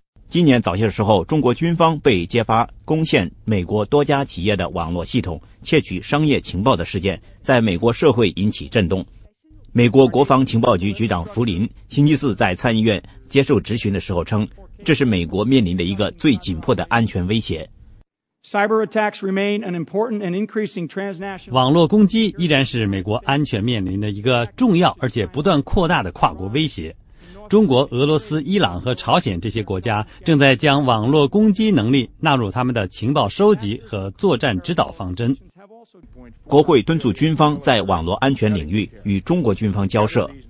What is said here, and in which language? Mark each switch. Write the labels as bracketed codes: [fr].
[zh] 今年早些时候，中国军方被揭发攻陷美国多家企业的网络系统，窃取商业情报的事件，在美国社会引起震动。美国国防情报局局长弗林星期四在参议院接受质询的时候称，这是美国面临的一个最紧迫的安全威胁。 [en] Cyber attacks remain an important and increasing transnational. [zh] 网络攻击依然是美国安全面临的一个重要而且不断扩大的跨国威胁。中国、俄罗斯、伊朗和朝鲜这些国家正在将网络攻击能力纳入他们的情报收集和作战指导方针。国会敦促军方在网络安全领域与中国军方交涉。